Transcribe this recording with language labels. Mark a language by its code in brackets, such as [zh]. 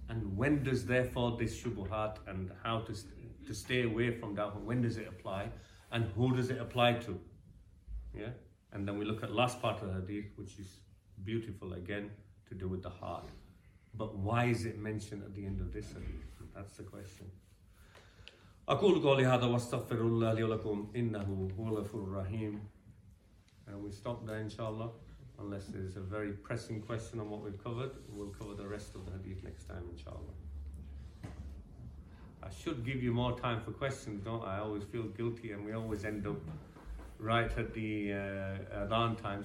[en] And when does, therefore, this shubuhat and how to stay away from doubt, when does it apply? And who does it apply to? Yeah. And then we look at last part of the hadith, which is beautiful, again, to do with the heart. But why is it mentioned at the end of this hadith? That's the question. [ar] أقول قولي هذا واستغفر الله لي ولكم إنه هو الغفور الرحيم. [en] And we stop there, inshallah. Unless there's a very pressing question on what we've covered, we'll cover the rest of the hadith next time, inshallah. I should give you more time for questions, don't I? I always feel guilty, and we always end up right at the adhan time.